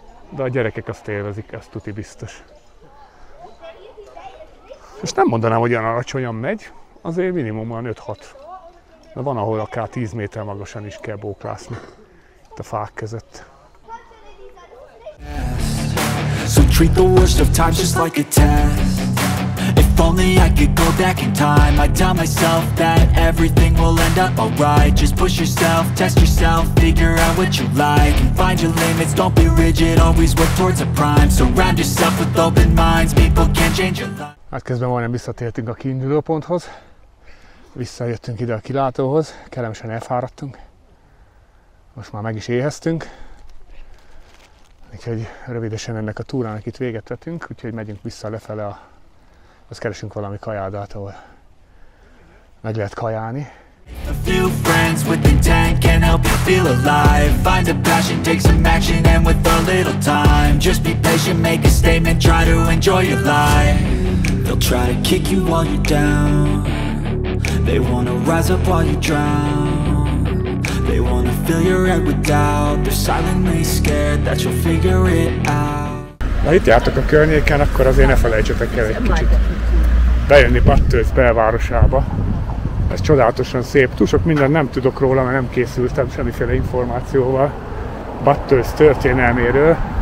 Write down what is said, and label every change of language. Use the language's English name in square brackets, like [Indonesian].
[Hungarian] De a gyerekek azt élvezik, ezt tuti biztos. És nem mondanám, hogy olyan alacsonyan megy, azért minimum olyan 5-6. De van, ahol akár 10 méter magasan is kell bóklászni itt a fák között. [English] So treat the worst of times just like a test. If only I could go back in time, I'd tell myself that everything will end up alright. Just push yourself, test yourself, figure out what you like and find your limits, don't be rigid, always work towards a prime. Surround yourself with open minds, people can change your life. [Hungarian] Hát közben majdnem visszatértünk a kiinduló ponthoz. Visszajöttünk ide a kilátóhoz, kellemesen elfáradtunk. Most már meg is éheztünk. Úgyhogy rövidesen ennek a túrának itt véget vetünk, úgyhogy megyünk vissza lefele, azt keresünk valami kajádát, ahol meg lehet kajálni. [English] A few friends with intent can help you feel alive. Find a passion, take some action, and with a little time, just be patient, make a statement, try to enjoy your life. They'll try to kick you while you're down. They wanna rise up while you drown. They wanna fill your head with doubt. They're silently scared that you'll figure it out. [Hungarian] Ha itt jártok a környéken, akkor azért ne felejtsetek el egy kicsit bejönni Battőz belvárosába. Ez csodálatosan szép. Túl sok mindent nem tudok róla, mert nem készültem semmiféle információval Battőz történelméről.